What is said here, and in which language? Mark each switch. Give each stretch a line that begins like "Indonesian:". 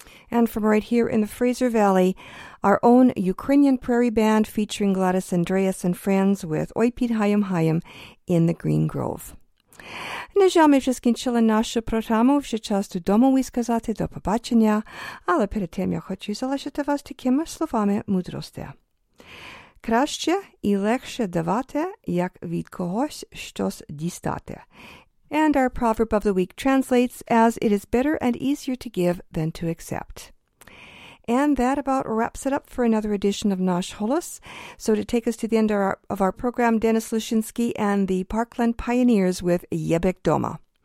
English: And from right here in the Fraser Valley, our own Ukrainian Prairie Band featuring Gladys Andreas and friends with Oi Pit Hayim Hayim in the Green Grove.
Ukrainian: Нежами вже скінчили нашу програму, вже час додому ви сказати до побачення, але перед тим я хочу залишити вас такими словами мудрості. Краще і легше давати, як від когось щось дістати.
English: And our proverb of the week translates as, it is better and easier to give than to accept. And that about wraps it up for another edition of Nash Holos. So to take us to the end of our program, Dennis Lushinsky and the Parkland Pioneers with Yebek Doma.